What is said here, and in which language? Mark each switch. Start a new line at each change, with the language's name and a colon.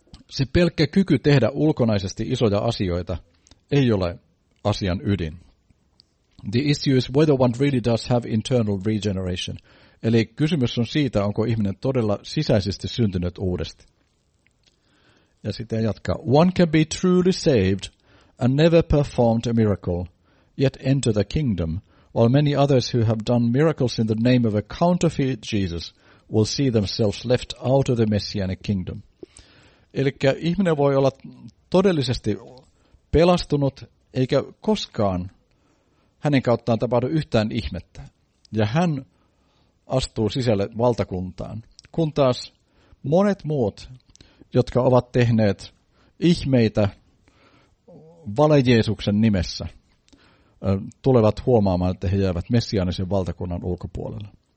Finnish: Se pelkkä kyky tehdä ulkonaisesti isoja asioita ei ole asian ydin.
English: The issue is whether one really does have internal regeneration.
Finnish: Eli kysymys on siitä, onko ihminen todella sisäisesti syntynyt uudesti. Ja sitten jatkaa.
English: One can be truly saved and never performed a miracle, yet enter the kingdom, while many others who have done miracles in the name of a counterfeit Jesus will see themselves left out of the messianic kingdom.
Finnish: Eli ihminen voi olla todellisesti pelastunut, eikä koskaan hänen kauttaan tapahdu yhtään ihmettä. Ja hän astuu sisälle valtakuntaan. Kun taas monet muut, jotka ovat tehneet ihmeitä valejeesuksen nimessä, tulevat huomaamaan, että he jäävät messiaanisen valtakunnan ulkopuolelle.